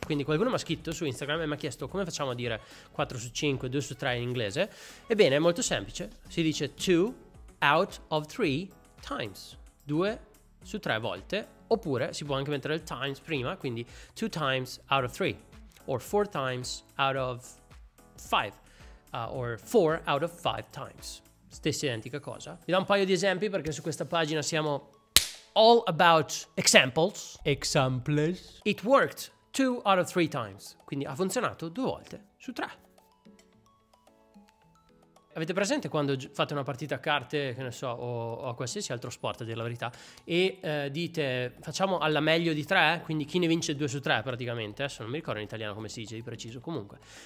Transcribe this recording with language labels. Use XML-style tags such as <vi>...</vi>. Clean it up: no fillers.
<it>Quindi qualcuno mi ha scritto su Instagram e mi ha chiesto come facciamo a dire quattro su cinque, due su tre in inglese. Ebbene, è molto semplice. Si dice</it> <en>two out of three times.</en> <it>Due su tre volte. Oppure si può anche mettere il times prima, quindi</it> <en>two times out of three. Or four times out of five. Or four out of five times.</en> <it>Stessa identica cosa. Vi do un paio di esempi perché su questa pagina siamo</it> <en>all about examples. Examples. It worked two out of three times.</en> <it>Quindi ha funzionato due volte su tre. Avete presente quando fate una partita a carte, che ne so, o a qualsiasi altro sport, a dire la verità, e dite facciamo alla meglio di tre, quindi chi ne vince due su tre praticamente, adesso non mi ricordo in italiano come si dice di preciso, comunque.</it>